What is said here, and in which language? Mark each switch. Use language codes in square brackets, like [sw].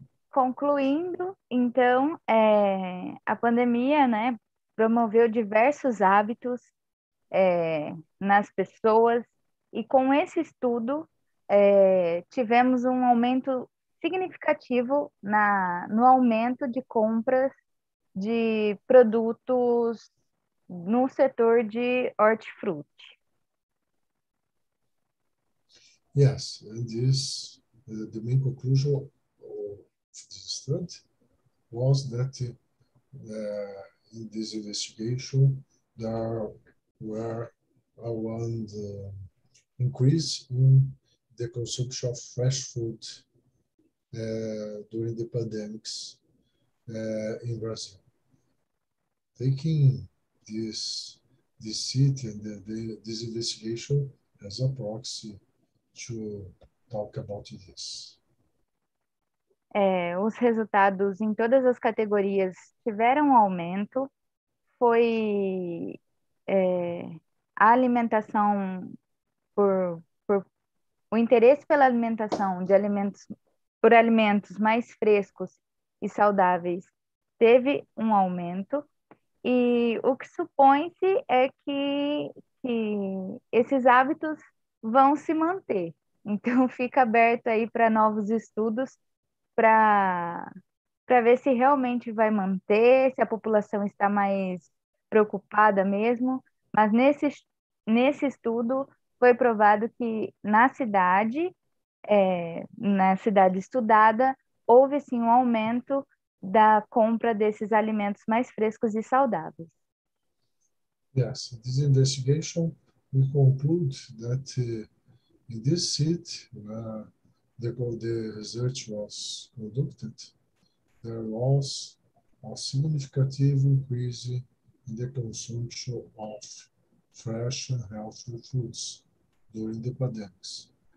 [pt] Concluindo, então, a pandemia, né, promoveu diversos hábitos nas pessoas, e com esse estudo tivemos um aumento significativo no aumento de compras de produtos no setor de hortifruti. [en] Yes, and this, the main conclusion this study was that in this investigation there were around increase in the consumption of fresh food during the pandemics in Brazil. Taking this seat and this investigation as a proxy to talk about this. [pt] Os resultados em todas as categorias tiveram aumento. Foi a alimentação, o interesse pela alimentação de alimentos, por alimentos mais frescos e saudáveis, teve um aumento. E o que supõe-se é que esses hábitos vão se manter. Então, fica aberto aí para novos estudos, para ver se realmente vai manter, se a população está mais preocupada mesmo. Mas nesse estudo foi provado que na cidade, na cidade estudada, houve sim um aumento da compra desses alimentos mais frescos e saudáveis. [en] Yes, this investigation, we conclude that in this city, the research was conducted, there was a significant increase in the consumption of fresh and healthy foods during the pandemics.